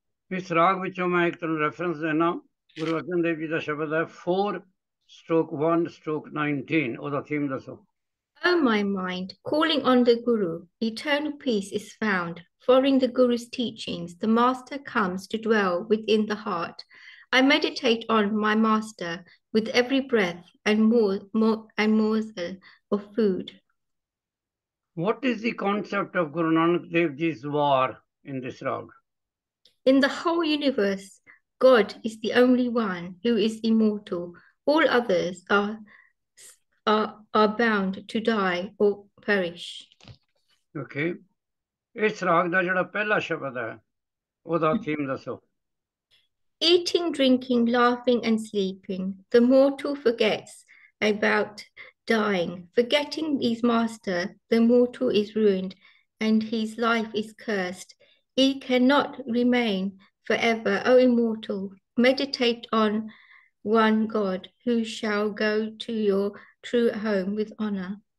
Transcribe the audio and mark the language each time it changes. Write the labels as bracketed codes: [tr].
[pa] ਇਸ ਰਾਗ ਵਿੱਚੋਂ ਮੈਂ ਇੱਕ ਤੁਹਾਨੂੰ ਰੈਫਰੈਂਸ ਦੇਣਾ, ਗੁਰੂ ਅਰਜਨ ਦੇਵ ਜੀ ਦਾ ਸ਼ਬਦ ਹੈ 4/19, ਉਹਦਾ ਥੀਮ ਦੱਸੋ। [en] Oh, my mind, calling on the Guru, eternal peace is found. Following the Guru's teachings, the Master comes to dwell within the heart. I meditate on my Master with every breath and morsel of food. What is the concept of Guru Nanak Dev Ji's war in this rag? In the whole universe, God is the only one who is immortal. All others are bound to die or perish. Okay. [pa] ਇਸ ਰਾਗ ਦਾ ਜਿਹੜਾ ਪਹਿਲਾ ਸ਼ਬਦ ਹੈ ਉਹਦਾ theme ਦੱਸੋ। [en] Eating, drinking, laughing, and sleeping, the mortal forgets about dying. Forgetting his master, the mortal is ruined and his life is cursed. He cannot remain forever. O immortal, meditate on one God who shall go to your true home with honor.